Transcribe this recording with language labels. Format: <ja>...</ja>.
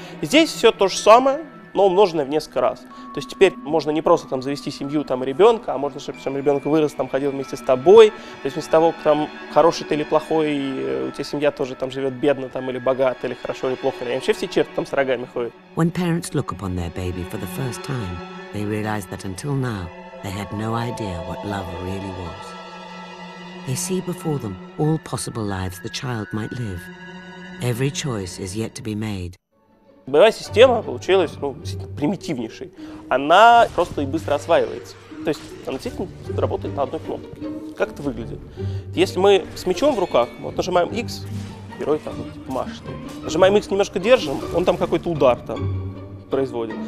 <ru>Здесь все то же самое, но умноженное в несколько раз. То есть теперь можно не просто там завести семью там ребенка, а можно, чтобы ребенок вырос, там ходил вместе с тобой. То есть вместо того, там, хороший ты или плохой, и у тебя семья тоже там живет бедно там, или богато, или хорошо, или плохо. И вообще все черты там с рогами ходят.</ru> <en>When parents look upon their baby for the first time, they realize that until now they had no idea what love really was. They see before them all possible lives the child might live. Every choice is yet to be made.</en> <ru>Боевая система получилась, ну, действительно, примитивнейшей. Она просто и быстро осваивается. То есть она действительно работает на одной кнопке. Как это выглядит? Если мы с мечом в руках, вот нажимаем X, герой там типа, машет. Нажимаем X, немножко держим, он там какой-то удар там производит.</ru>